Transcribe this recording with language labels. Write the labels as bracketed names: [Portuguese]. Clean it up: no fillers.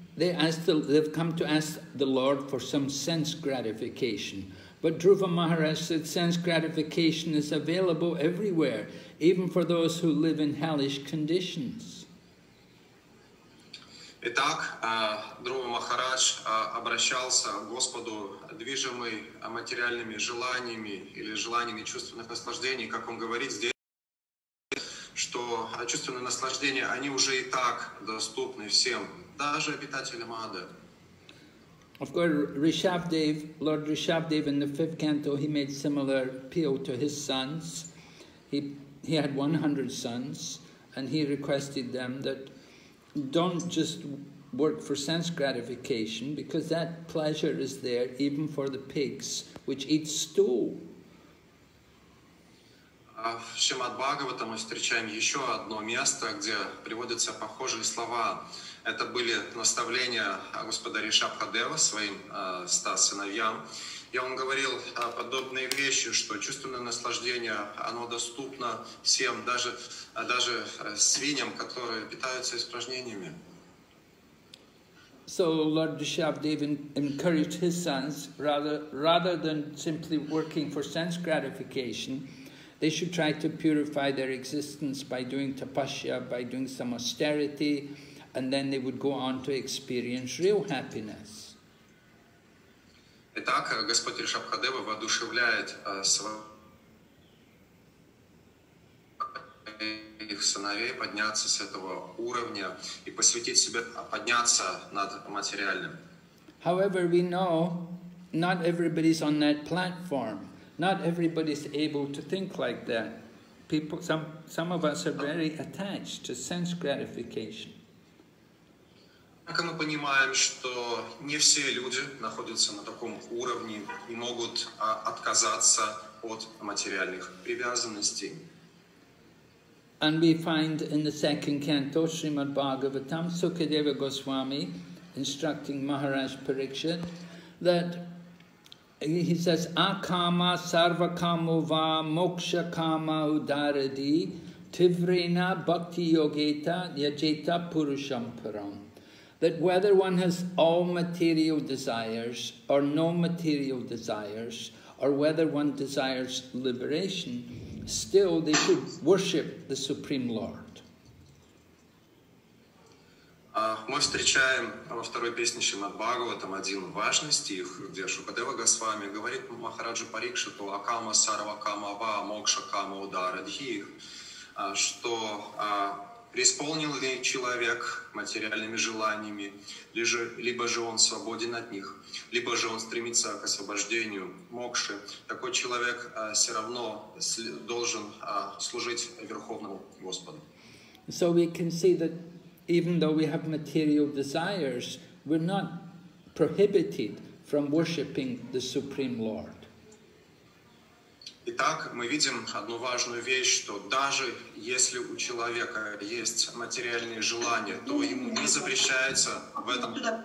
[English] They've come to ask the Lord for some sense gratification. But Dhruva Maharaj said sense gratification is available everywhere, even for those who live in hellish conditions. [Russian] Итак, Друва Махарадж обращался к Господу, движимый материальными желаниями или желаниями чувственных наслаждений, как он говорит здесь, что чувственные наслаждения, они уже и так доступны всем, даже обитателям ада. [English] Of course, Rishabhdev, Lord Rishabhdev, in the fifth canto, he made similar appeal to his sons. He had 100 sons, and he requested them that don't just work for sense gratification, because that pleasure is there even for the pigs, which eat stool. [Russian] В Шримад Бхагаватам мы встречаем еще одно место, где приводятся похожие слова. Это были наставления господа Ришабхадева своим 100 сыновьям. И он говорил подобные вещи, что чувственное наслаждение, оно доступно всем, даже свиньям, которые питаются испражнениями. [English] So Lord Rishabhdev encouraged his sons, rather than simply working for sense gratification, they should try to purify their existence by doing tapasya, by doing some austerity, and then they would go on to experience real happiness. [Russian] Итак, Господь Ришабхадева воодушевляет своих сыновей подняться с этого уровня и посвятить себя, подняться над материальным. [English] However, we know not everybody's on that platform. Not everybody's able to think like that. Some of us are very attached to sense gratification. [Russian] Как мы понимаем, что не все люди находятся на таком уровне и могут отказаться от материальных привязанностей. [English] And we find in the second canto, Srimad Bhagavatam, Sukadeva Goswami instructing Maharaj Parikshit that he says, [Sanskrit] akama sarva kamo va moksha kama udaradi tivrena bhakti yogeta yajeta purusham param. [English] That whether one has all material desires or no material desires, or whether one desires liberation, still they should worship the Supreme Lord. [Russian] Мы встречаем во второй песне Шримад Бхагаватам один важный стих, где Шукадева Госвами говорит Махараджу Парикшиту [Sanskrit] «Акама сарва кама ва мокша кама удара дхих», [Russian] что преисполнил ли человек материальными желаниями, либо же он свободен от них, либо же он стремится к освобождению мокши, такой человек все равно должен служить Верховному Господу. [English] So we can see that even though we have material desires, we're not prohibited from worshipping the Supreme Lord. [Russian] Итак, мы видим одну важную вещь, что даже если у человека есть материальные желания, то ему не запрещается в этом.